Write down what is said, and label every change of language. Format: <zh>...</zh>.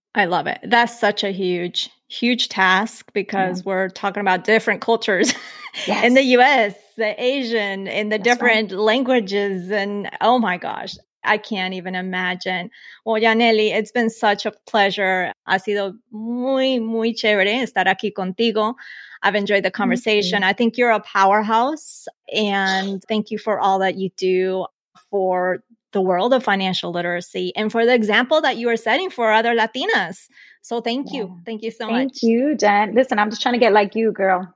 <en>I love it. That's such a huge, huge task because we're talking about different cultures in the US, the Asian, in the different languages. And oh my gosh. I can't even imagine. Well, Yaneli, it's been such a pleasure.</en> <es>Ha sido muy, muy chévere estar aquí contigo.</es> <en>I've enjoyed the conversation. I think you're a powerhouse. And thank you for all that you do for the world of financial literacy and for the example that you are setting for other Latinas. So thank you. Thank you so much. Thank you, Jen. Listen, I'm just trying to get like you, girl.</en>